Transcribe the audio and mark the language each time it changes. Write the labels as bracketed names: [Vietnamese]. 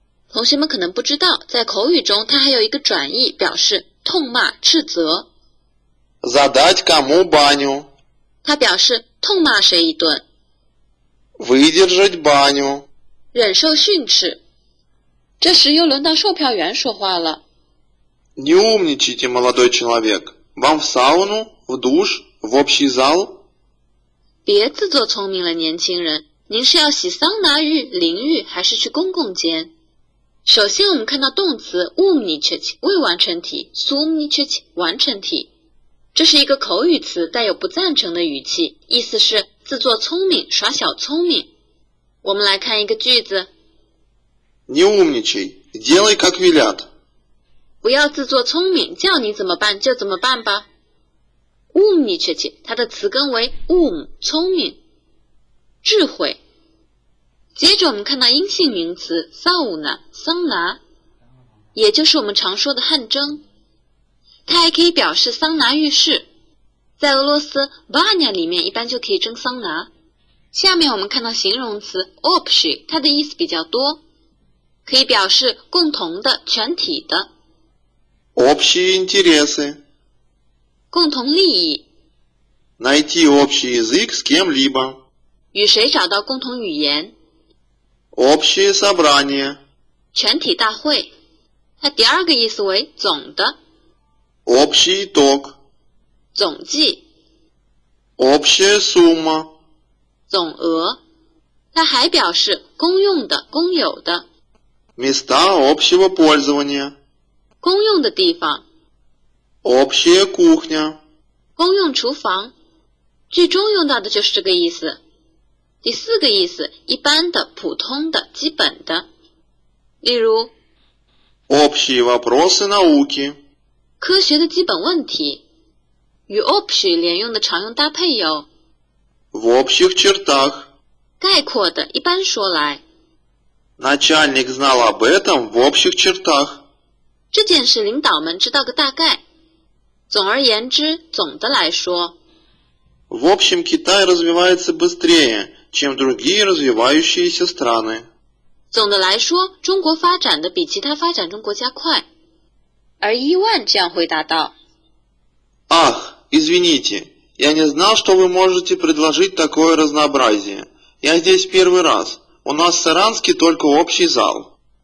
[Chinese] 同学们可能不知道，在口语中它还有一个转义，表示痛骂、斥责。 [Russian] Задать кому баню. [Chinese] 它表示痛骂谁一顿。 [Russian] Выдержать баню. [Chinese] 忍受训斥。这时又轮到售票员说话了。 [Russian] Не умничайте, молодой человек. Вам в сауну, в душ, в общий зал? [Chinese] 别自作聪明了，年轻人。您是要洗桑拿浴、淋浴，还是去公共间？首先我们看到动词 умничать, 未完成体 сумничать, 完成体。这是一个口语词，带有不赞成的语气，意思是自作聪明，耍小聪明。我们来看一个句子。 [Russian] Не умничай, делай как велят. [Chinese] 不要自作聪明，叫你怎么办就怎么办吧。Умничать, 它的词根为 ум, 聪明，智慧。接着我们看到阴性名词 sauna, 桑拿，也就是我们常说的汗蒸。它还可以表示桑拿浴室。在俄罗斯 Баня 里面一般就可以蒸桑拿。下面我们看到形容词 Общий, 它的意思比较多，可以表示共同的、全体的。 [Russian] Общие интересы. [Chinese] 共同利益。 [Russian] Найти общий язык с кем-либо. [Chinese] 与谁找到共同语言。 [Russian] Общие собрания. [Chinese] 全体大会。它第二个意思为总的。 [Russian] Общий итог. [Chinese] 总计。 [Russian] Общая сумма. [Chinese] 总额。它还表示公用的、公有的。 [Russian] Места общего пользования. [Chinese] 公用的地方。 [Russian] Общая кухня. [Chinese] 公用厨房。最终用到的就是这个意思。第四个意思，一般的、普通的、基本的。例如。 [Russian] Общие вопросы науки. [Chinese] 科学的基本问题。与 общий 连用的常用搭配有 [Russian] в общих чертах, [Chinese] 概括的，一般说来。 [Russian] Начальник знал об этом в общих чертах, [Chinese] 这件事领导们知道个大概。总而言之，总的来说。 [Russian] В общем, Китай развивается быстрее, чем другие развивающиеся страны. [Chinese] 总的来说，中国发展的比其他发展中国家快。而伊万这样回答道 [Russian] Ах, извините, я не знал, что вы можете предложить такое разнообразие. Я здесь первый раз. У нас в Саранске только общий зал.